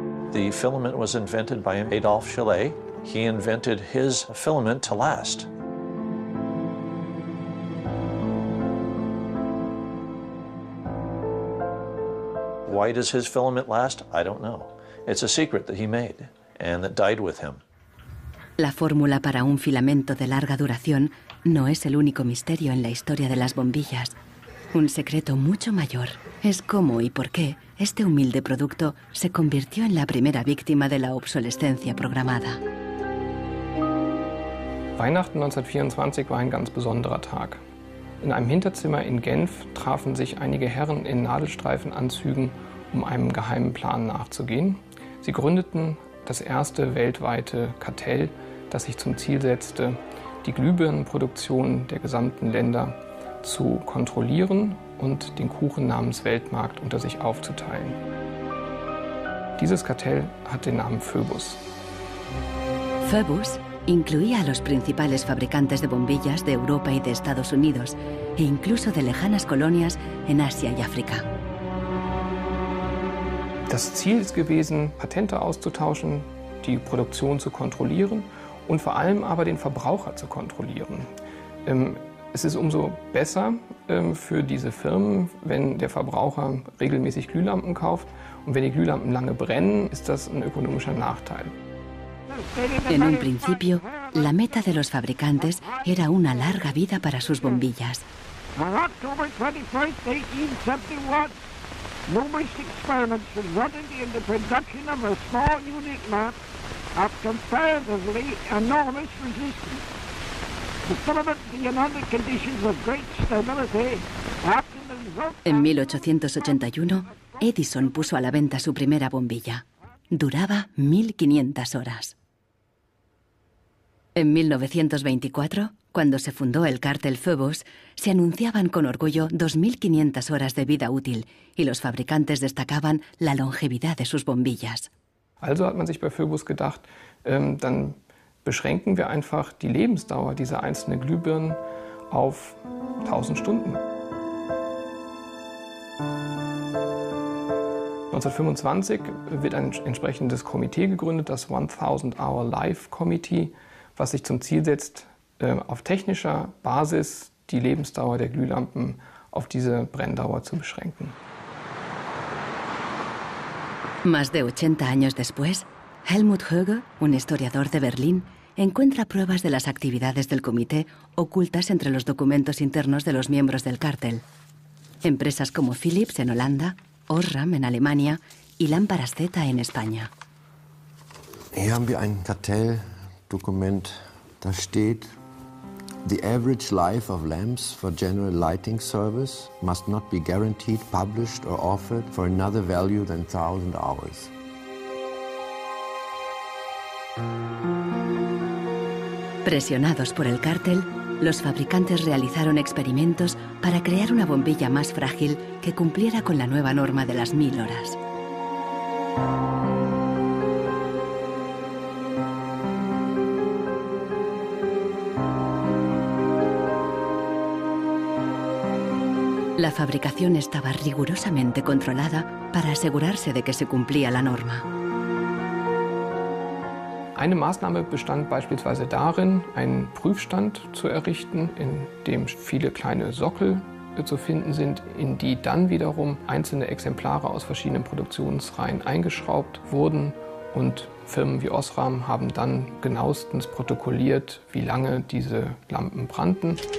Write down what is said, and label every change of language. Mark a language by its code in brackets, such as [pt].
[en] The filament was invented by Adolphe Chollet. He invented his filament to last. Why does his filament last? I don't know. It's a secret that he made and that died with him. [es] La fórmula para un filamento de larga duración no es el único misterio en la historia de las bombillas. Un secreto mucho mayor es cómo y por qué este humilde producto se convirtió en la primera víctima de la obsolescencia programada. [de] Weihnachten 1924 war ein ganz besonderer Tag. In einem Hinterzimmer in Genf trafen sich einige Herren in Nadelstreifenanzügen, um einem geheimen Plan nachzugehen. Sie gründeten das erste weltweite Kartell, das sich zum Ziel setzte, die Glühbirnenproduktion der gesamten Länder zu kontrollieren und den Kuchen namens Weltmarkt unter sich aufzuteilen. Dieses Kartell hat den Namen Phoebus. [es] Phoebus incluía a los principales fabricantes de bombillas de Europa y de Estados Unidos e incluso de lejanas colonias en Asia y África. [de] Das Ziel ist gewesen, Patente auszutauschen, die Produktion zu kontrollieren und vor allem aber den Verbraucher zu kontrollieren. Es ist umso besser für diese Firmen, wenn der Verbraucher regelmäßig Glühlampen kauft. Und wenn die Glühlampen lange brennen, ist das ein ökonomischer Nachteil. [es] En un principio, la meta de los fabricantes era una larga vida para sus bombillas. [en] On October 21st, 1871, numerous experiments resulted in the production of a small unit lamp of comparatively enormous resistance. The filament began under conditions of great stability. After the result, [es] en 1881, Edison puso a la venta su primera bombilla. Duraba 1500 horas. En 1924, cuando se fundó el cártel Phoebus, se anunciaban con orgullo 2.500 horas de vida útil y los fabricantes destacaban la longevidad de sus bombillas. [de] Also hat man sich bei Phoebus gedacht, dann beschränken wir einfach die Lebensdauer dieser einzelnen Glühbirnen auf 1.000 Stunden. 1925 wird ein entsprechendes Komitee gegründet, das 1000-Hour-Life-Komitee, was sich zum Ziel setzt, auf technischer Basis die Lebensdauer der Glühlampen auf diese Brenndauer zu beschränken. [es] Más de 80 años después, Helmut Höge, un historiador de Berlín, encuentra pruebas de las actividades del comité ocultas entre los documentos internos de los miembros del cártel. Empresas como Philips en Holanda, Osram en Alemania y Lámparas Z en España. [de] Hier haben wir ein Kartell. Dokument, da steht, [en] the average life of lamps for general lighting service must not be guaranteed, published or offered for another value than 1000 hours. [es] Presionados por el cártel, los fabricantes realizaron experimentos para crear una bombilla más frágil que cumpliera con la nueva norma de las 1000 horas. La fabricación estaba rigurosamente controlada para asegurarse de que se cumplía la norma. [de] Eine Maßnahme bestand beispielsweise darin, einen Prüfstand zu errichten, in dem viele kleine Sockel zu finden sind, in die dann wiederum einzelne Exemplare aus verschiedenen Produktionsreihen eingeschraubt wurden. Und Firmen wie Osram haben dann genauestens protokolliert, wie lange diese Lampen brannten.